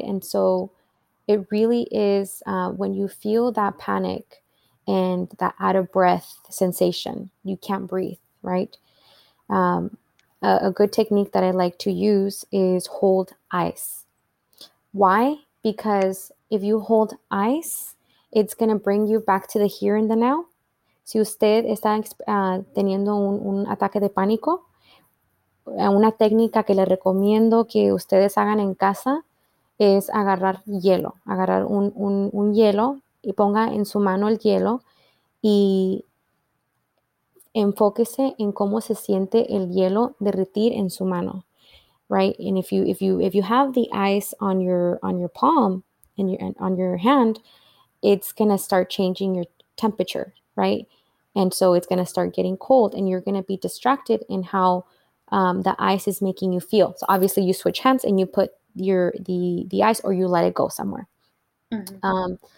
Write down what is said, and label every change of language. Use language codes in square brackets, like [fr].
[en] And so it really is when you feel that panic and that out of breath sensation, you can't breathe, right? A good technique that I like to use is hold ice. Why? Because if you hold ice, it's going to bring you back to the here and the now. [es] Si usted está teniendo un ataque de pánico, una técnica que le recomiendo que ustedes hagan en casa es agarrar hielo. Agarrar un hielo y ponga en su mano el hielo y enfóquese en cómo se siente el hielo derretir en su mano, right? [en] And if you have the ice on your palm and on your hand, it's going to start changing your temperature, right? And so it's going to start getting cold and you're going to be distracted in how the ice is making you feel. So obviously you switch hands and you put the ice or you let it go somewhere. Mm-hmm.